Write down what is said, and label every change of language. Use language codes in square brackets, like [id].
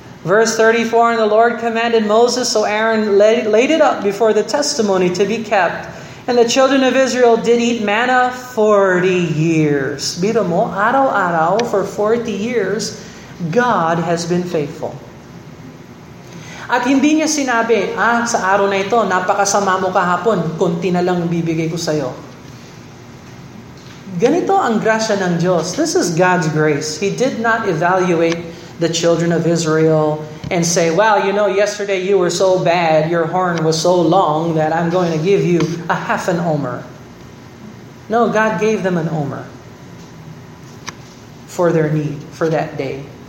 [en] Verse 34, and the Lord commanded Moses, so Aaron laid it up before the testimony to be kept. And the children of Israel did eat manna 40 years. [tl] Bito mo, araw-araw, [en] for 40 years, God has been faithful. [tl] At hindi niya sinabi, sa araw na ito, napakasama mo kahapon, konti na lang bibigay ko sa'yo. Ganito ang grasya ng Diyos. [en] This is God's grace. He did not evaluate the children of Israel and say, well, you know, yesterday you were so bad, your horn was so long that I'm going to give you a half an omer. No, God gave them an omer for their need for that day.